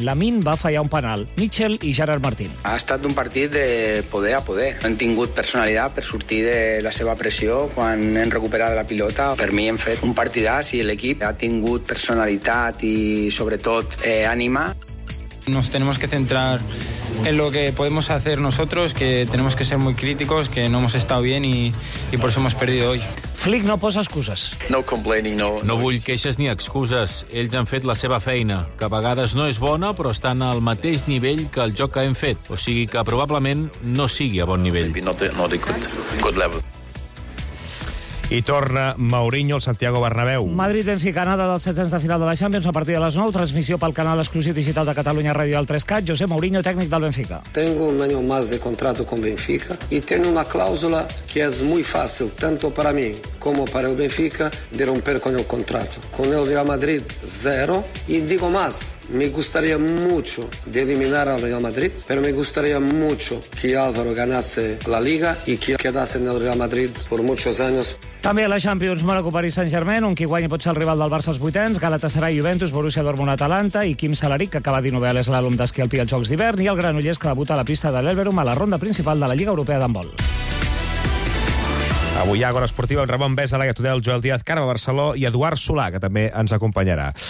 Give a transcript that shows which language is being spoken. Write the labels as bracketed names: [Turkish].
[Catalan] Lamin va fallar un penal. Mitchell i Gerard Martín. Ha estat un partit de poder a poder. Hem tingut personalitat per sortir de la seva pressió quan hem recuperat la pilota. Per mi hem fet un partidàs i l'equip ha tingut personalitat i sobretot ànima. [Spanish] Nos tenemos que centrar en lo que podemos hacer nosotros, que tenemos que ser muy críticos, que no hemos estado bien y por eso hemos perdido hoy. [Catalan] Flick no posa excuses. [English] No complaining, no. [Catalan] No vull queixes ni excuses. Ells han fet la seva feina, que a vegades no és bona, però estan al mateix nivell que el joc que hem fet. O sigui que probablement no sigui a bon nivell. [English] Maybe not a good level. [Catalan] I torna Mourinho al Santiago Bernabéu. Madrid-Benfica-Granada dels 16 de final de la Champions a partir de les 9. Transmissió pel canal exclusiu digital de Catalunya Ràdio al 3CAT. José Mourinho, tècnic del Benfica. [Spanish] Tengo un año más de contrato con Benfica y tengo una cláusula que es muy fácil, tanto para mí como para el Benfica, de romper con el contrato. Con el Real Madrid, zero. Y digo más, me gustaría mucho de eliminar al Real Madrid, pero me gustaría mucho que Álvaro ganase la Liga y que quedase en el Real Madrid por muchos años. [Catalan] També a la Champions, Mónaco, París Saint-Germain, on qui guanya pot ser el rival del Barça als vuitens, Galatasaray, Juventus, Borussia Dortmund, Atalanta i Quim Salarich, que acaba d'innovar l'eslàlom d'esquí alpí als Jocs d'hivern, i el Granollers, que debuta a la pista de l'Elverum a la ronda principal de la Lliga Europea d'handbol. Avui hi ha Agora Esportiva, el Ramon Besa, Laia Tudel, Joel Díaz, Carme Barceló i Eduard Solà, que també ens acompanyarà.